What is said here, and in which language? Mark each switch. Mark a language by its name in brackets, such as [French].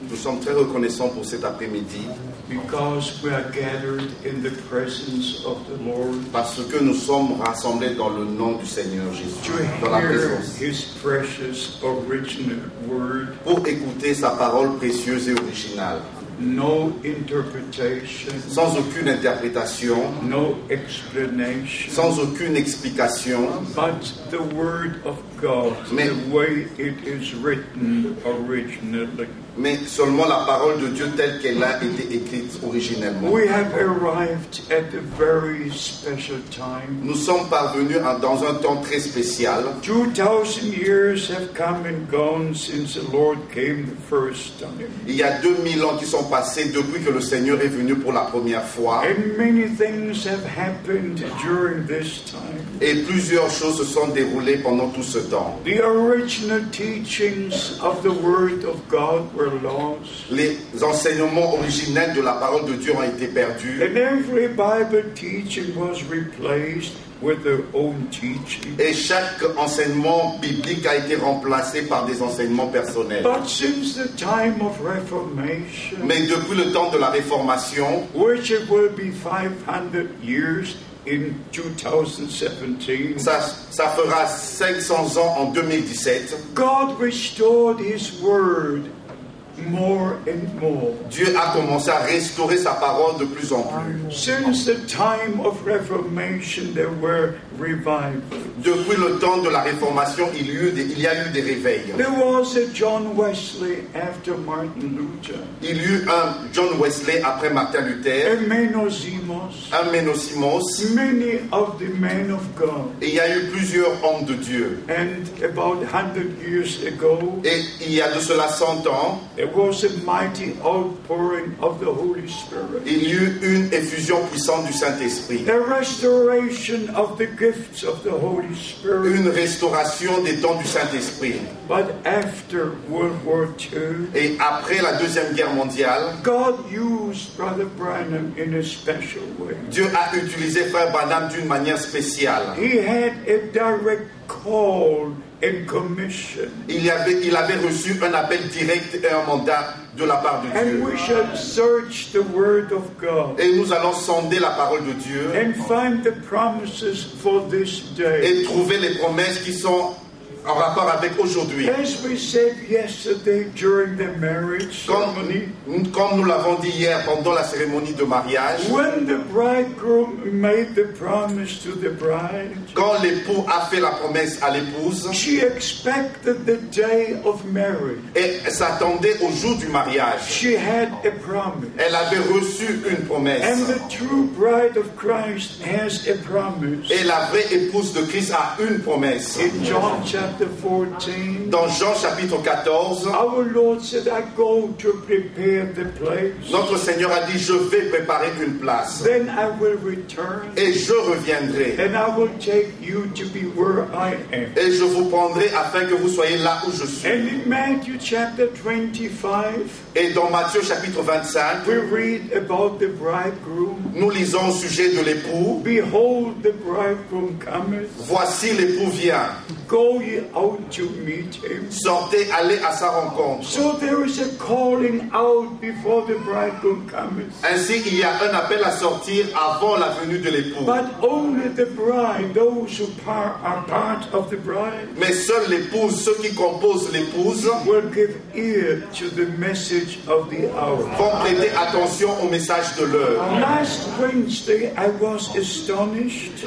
[French] Nous sommes très reconnaissants pour cet après-midi. [English] Because we are gathered in the presence of the Lord. [French] Parce que nous sommes rassemblés dans le nom du Seigneur Jésus. [English] To hear [French] dans la présence. [English] His precious original word. [French] Pour écouter sa parole précieuse et originale. [English] No interpretation. [French] Sans aucune interprétation. [English] No explanation. [French] Sans aucune explication. [English] But the word of God, [French] mais, [English] the way it is written originally. [French] Mais seulement la parole de Dieu telle qu'elle a été écrite originellement. [English] We have arrived at a very special time. [French] Nous sommes parvenus dans un temps très spécial. [English] 2000 years have come and gone since the Lord came the first time. [French] Il y a 2000 ans qui sont passés depuis que le Seigneur est venu pour la première fois. [English] And many things have happened during this time. [French] Et plusieurs choses se sont déroulées pendant tout ce temps. [English] The original teachings of the Word of God. [French] Les enseignements originels de la parole de Dieu ont été perdus. [English] And every Bible teaching was replaced with their own teaching. [French] Et chaque enseignement biblique a été remplacé par des enseignements personnels. [English] But since the time of Reformation, [French] mais depuis le temps de la Réformation, [English] which it will be 500 years in 2017, [French] ça fera 500 ans en 2017. [English] God restored His Word. More and more. [French] Dieu a commencé à restaurer sa parole de plus en plus. [English] Since the time of Reformation, there were revivals. [French] Depuis le temps de la Réformation, il y a eu des réveils. [English] There was a John Wesley after Martin Luther. [French] Il y a eu un John Wesley après Martin Luther. [English] A Menosimos. [French] Un Menosimos. [English] Many of the men of God. [French] Et il y a eu plusieurs hommes de Dieu. [English] And about 100 years ago. [French] Et il y a de cela 100 ans. [English] It was a mighty outpouring of the Holy Spirit. [French] Il y eut une effusion puissante du Saint-Esprit. [English] A restoration of the gifts of the Holy Spirit. [French] Une restauration des dons du Saint-Esprit. [English] But after World War II, [French] et après la Deuxième Guerre mondiale, [English] God used Brother Branham in a special way. [French] Dieu a utilisé Frère Branham d'une manière spéciale. [English] He had a direct call. And commission. [French] Il avait reçu un appel direct et un mandat de la part de Dieu. [English] And we shall search the word of God. [French] Et nous allons sonder la parole de Dieu. [English] And find the promises for this day. [French] Et trouver les promesses qui sont en rapport avec aujourd'hui. [English] As we said yesterday during the marriage ceremony, [French] comme nous l'avons dit hier pendant la cérémonie de mariage, [English] when the bridegroom made the promise to the bride, [French] quand l'époux a fait la promesse à l'épouse, [English] she expected the day of marriage. [French] Et s'attendait au jour du mariage. [English] She had a promise. [French] Elle avait reçu une promesse. [English] And the true bride of Christ has a promise. [French] Et la vraie épouse de Christ a une promesse. [English] In John chapter 14. [French] Dans Jean chapitre 14. [English] Our Lord said, "I go to prepare the place." [French] Notre Seigneur a dit, je vais préparer une place. [English] Then I will return. [French] Et je reviendrai. [English] And I will take you to be where I am. [French] Et je vous prendrai afin que vous soyez là où je suis. [English] And in Matthew chapter 25. [French] Et dans Matthieu chapitre 25. [English] We read about the bridegroom. [French] Nous lisons au sujet de l'époux. [English] Behold, the bridegroom cometh. [French] Voici l'époux vient. [English] Go ye out to meet him. [French] Sortez, allez à sa rencontre. [English] So there is a calling out before the bridegroom comes. [French] Ainsi, il y a un appel à sortir avant la venue de l'époux. [English] But only the bride, those who are part of the bride. [French] Mais seuls l'épouse, ceux qui composent l'épouse, [English] will give ear to the message of the hour. [French] Vont prêter attention au message de l'heure. [English] Last Wednesday, I was astonished.